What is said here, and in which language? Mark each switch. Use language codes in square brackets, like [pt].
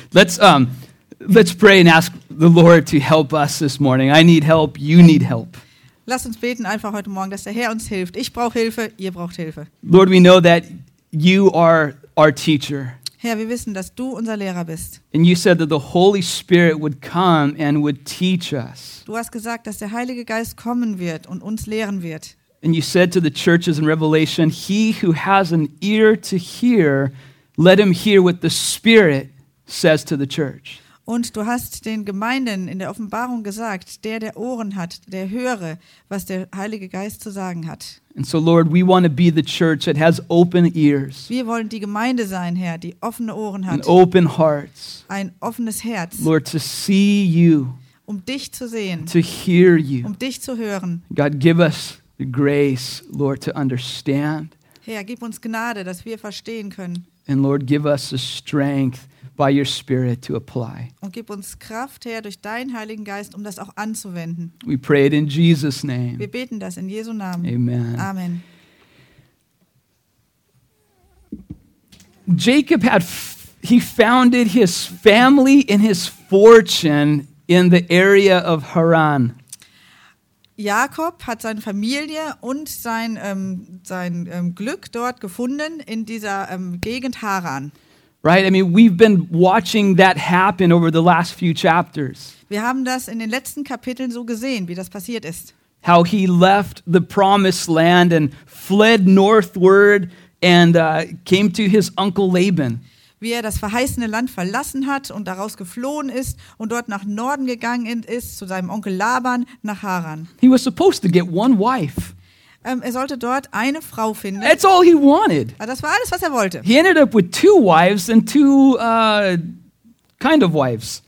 [en] Let's pray and ask the Lord to help us this morning. I need help. You need help. [de] Lass uns beten einfach heute Morgen, dass der Herr uns hilft. Ich brauche Hilfe. Ihr braucht Hilfe. [en] Lord, we know that you are our teacher. [de] Herr, wir wissen, dass du unser Lehrer bist. [en] And you said that the Holy Spirit would come and would teach us. [de] Du hast gesagt, dass der Heilige Geist kommen wird und uns lehren wird. [en] And you said to the churches in Revelation, he who has an ear to hear, let him hear what the Spirit says to the church. [de] Und du hast den Gemeinden in der Offenbarung gesagt, der Ohren hat, der höre, was der Heilige Geist zu sagen hat. [en] And so, Lord, we want to be the church that has open ears. [de] Wir wollen die Gemeinde sein, Herr, die offene Ohren hat. [en] And open hearts. [de] Ein offenes Herz. [en] Lord, to see you. [de] Um dich zu sehen. [en] To hear you. [de] Um dich zu hören. [en] God, give us the grace, Lord, to understand. [de] Herr, gib uns Gnade, dass wir verstehen können. [en] And Lord, give us the strength by your Spirit to apply. [de] Und gib uns Kraft, Herr, durch deinen Heiligen Geist, um das auch anzuwenden. [en] We pray it in Jesus' name. [de] Wir beten das in Jesu Namen. [en] Amen. [de] Amen. [en] Jacob had founded his family and his fortune in the area of Haran. [de] Jakob hat seine Familie und sein Glück dort gefunden in dieser Gegend Haran. [en] Right, I mean, we've been watching that happen over the last few chapters. [de] Wir haben das in den letzten Kapiteln so gesehen, wie das passiert ist. [en] How he left the promised land and fled northward and came to his uncle Laban. [de] Wie er das verheißene Land verlassen hat und daraus geflohen ist und dort nach Norden gegangen ist, zu seinem Onkel Laban, nach Haran. [en] He was supposed to get one wife. [de] Er sollte dort eine Frau finden. [en] That's all he wanted. [de] Das war alles, was er wollte. [en] He ended up with two wives and two kind of wives.